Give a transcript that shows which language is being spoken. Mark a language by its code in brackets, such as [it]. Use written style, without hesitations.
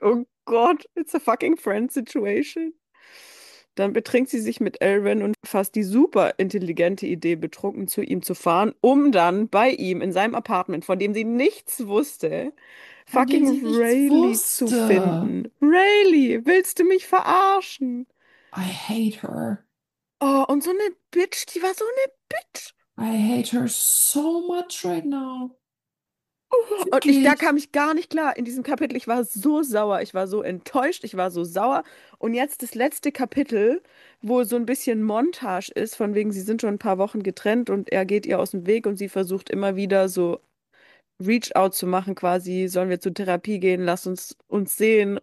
[de] Oh Gott, [en] it's a fucking friend situation. [de] Dann betrinkt sie sich mit Elwin und fasst die super intelligente Idee, betrunken zu ihm zu fahren, um dann bei ihm in seinem Apartment, von dem sie nichts wusste, von dem sie nichts Rayleigh zu wusste. finden. Rayleigh, willst du mich verarschen? [en] I hate her. [de] Oh, und so eine Bitch, die war so eine Bitch. [en] I hate her so much right now. [de] Und ich, da Wirklich. kam ich gar nicht klar in diesem Kapitel. Ich war so sauer, ich war so enttäuscht, ich war so sauer. Und jetzt das letzte Kapitel, wo so ein bisschen Montage ist, von wegen, sie sind schon ein paar Wochen getrennt und er geht ihr aus dem Weg und sie versucht immer wieder so Reach out zu machen, quasi, sollen wir zur Therapie gehen, lass uns sehen.